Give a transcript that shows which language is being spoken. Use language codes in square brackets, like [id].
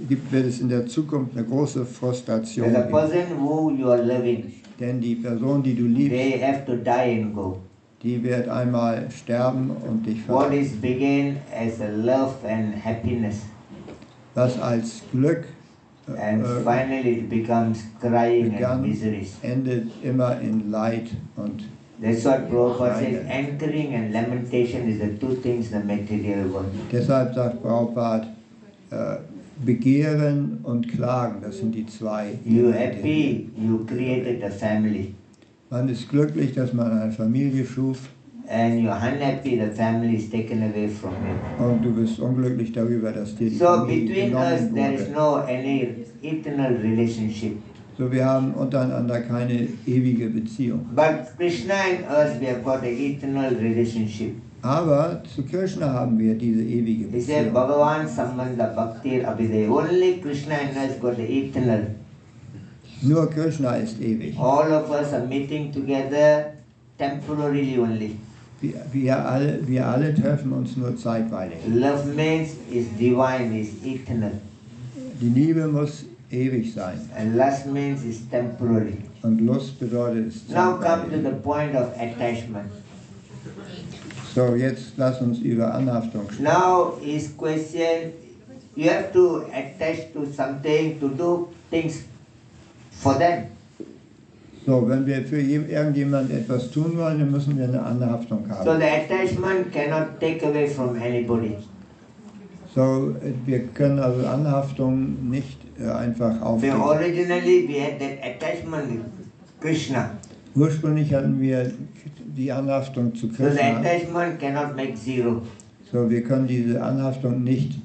[de] Wird es in der Zukunft eine große Frustration geben. [en] The person who you are loving, [de] denn die Person, die du liebst, [en] they have to die and go. [de] Die wird einmal sterben und dich verlassen. [en] What is begin as a love and happiness. [de] Was als Glück [en] and finally it becomes crying [de] begann, [en] and miseries. [de] Endet immer in Leid und [en] That's what Prabhupada says, anchoring and lamentation is the two things the material world. [de] Deshalb sagt Prabhupada, Begehren und Klagen, das sind die zwei. [en] You happy, you created a family. [de] Man ist glücklich, dass man eine Familie schuf. [en] And you're unhappy, the family is taken away from you. [de] Und du bist unglücklich darüber, dass dir die [en] so [de] Familie [en] between [de] genommen [en] us, [de] wurde. [en] There is no any eternal relationship. [de] So wir haben untereinander keine ewige Beziehung. [en] But Krishna and us, we have got an eternal relationship. [de] Aber zu Krishna haben wir diese ewige Beziehung. [en] He said, [sa] Bhagavan Sambandha Bhakti Abhidhaya. [en] Only Krishna and us got an eternal [de] Nur Krishna ist ewig. [en] All of us are meeting together temporarily only. [de] Wir alle treffen uns nur zeitweilig. [en] Love means is divine, is eternal. [de] Die Liebe muss ewig sein. [en] And lust means is temporary. [de] Und Lust bedeutet es zeitweilig. [en] Now come to the point of attachment. [de] So, jetzt lass uns über Anhaftung sprechen. [en] Now is question, you have to attach to something, to do things For them. [de] So, wenn wir für irgendjemand etwas tun wollen, dann müssen wir eine Anhaftung haben. [en] So the attachment cannot take away from anybody. [de] So, wir können also Anhaftung nicht einfach aufgeben. [en] Originally we had that attachment to Krishna. [de] Ursprünglich hatten wir die Anhaftung zu Krishna. [en] So the attachment cannot make zero. [de] So, wir können diese Anhaftung nicht